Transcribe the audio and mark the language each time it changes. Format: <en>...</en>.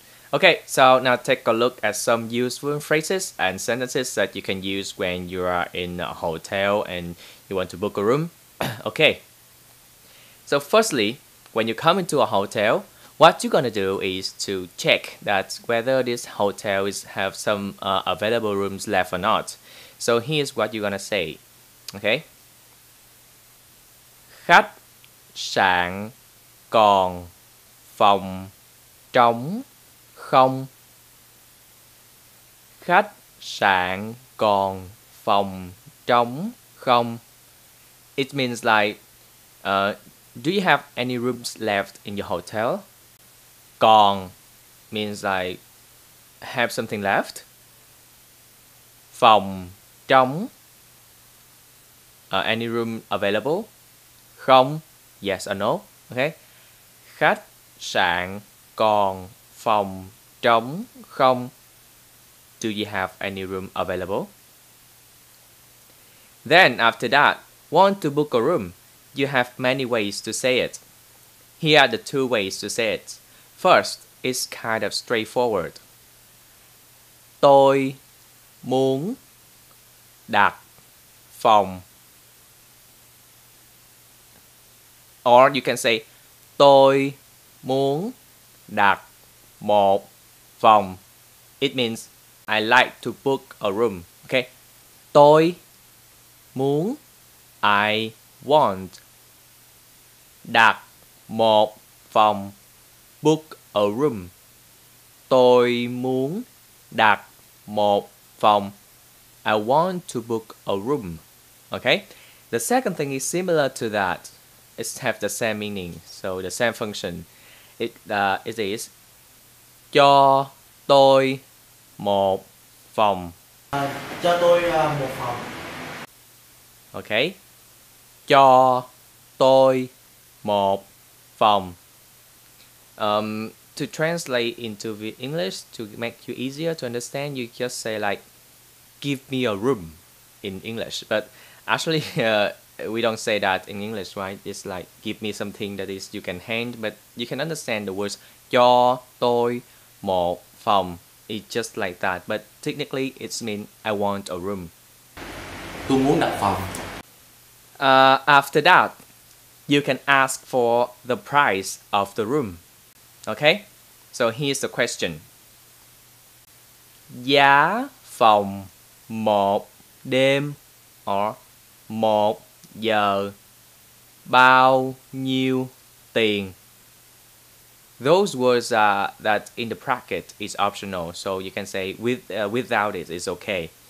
<en>Okay, so now take a look at some useful phrases and sentences that you can use when you are in a hotel and you want to book a room. Okay, so firstly, when you come into a hotel, what you're gonna do is to check that whether this hotel is have some available rooms left or not. So here's what you're gonna say, okay?</en> <vi>Khách sạn còn phòng trống không. Khách sạn còn phòng trống không.</vi> <en>It means like, do you have any rooms left in your hotel? Còn means like, have something left.</en> <vi>Phòng trống,</vi> <en>any room available? Không, yes or no, okay?</en> <vi>Khách sạn còn phòng trống không.</vi> <en>Do you have any room available? Then after that, want to book a room? You have many ways to say it. Here are the two ways to say it. First, it's kind of straightforward.</en> <vi>Tôi muốn đặt phòng.</vi> <en>Or you can say</en> <vi>tôi muốn đặt một phòng.</vi> <en>It means I like to book a room. Okay,</en> <vi>tôi muốn,</vi> <en>I want,</en> <vi>đặt một phòng,</vi> <en>book a room.</en> <vi>Tôi muốn đặt một phòng,</vi> <en>I want to book a room. Okay, The second thing is similar to that. It have the same meaning, so the same function. It is</en> <vi>cho tôi một phòng. Cho tôi một phòng. Okay. Cho tôi một phòng.</vi> <en>To translate into the English, to make you easier to understand, you just say like, give me a room in English. But actually, we don't say that in English, right? It's like, give me something that is you can hand, but you can understand the words,</en> <vi>cho tôi một phòng.</vi> <en>It's just like that. But technically, it means I want a room.</en> <vi>Tôi muốn đặt phòng.</vi> <en>After that, you can ask for the price of the room. Okay, so here's the question.</en> <vi>Giá phòng một đêm or một giờ bao nhiêu tiền?</vi> <en>Those words that in the bracket is optional, so you can say without it is okay.</en>